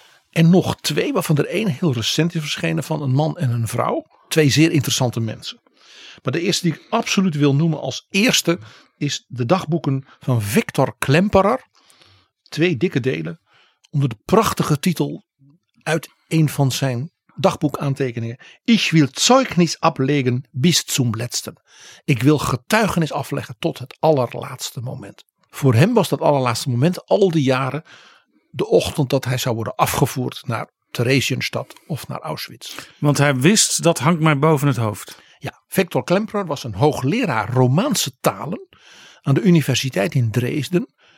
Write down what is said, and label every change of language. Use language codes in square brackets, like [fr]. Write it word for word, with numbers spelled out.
[nl] En nog twee, waarvan er één heel recent is verschenen, van een man en een vrouw. Twee zeer interessante mensen. Maar de eerste die ik absoluut wil noemen als eerste is de dagboeken van Victor Klemperer. Twee dikke delen onder de prachtige titel uit een van zijn dagboekaantekeningen. [de] Ich will Zeugnis ablegen bis zum letzten. [nl] Ik wil getuigenis afleggen tot het allerlaatste moment. Voor hem was dat allerlaatste moment al die jaren de ochtend dat hij zou worden afgevoerd naar Theresienstadt of naar Auschwitz. Want hij wist, dat hangt mij boven het hoofd. Ja, Victor Klemperer was een hoogleraar Romaanse talen aan de universiteit in Dresden.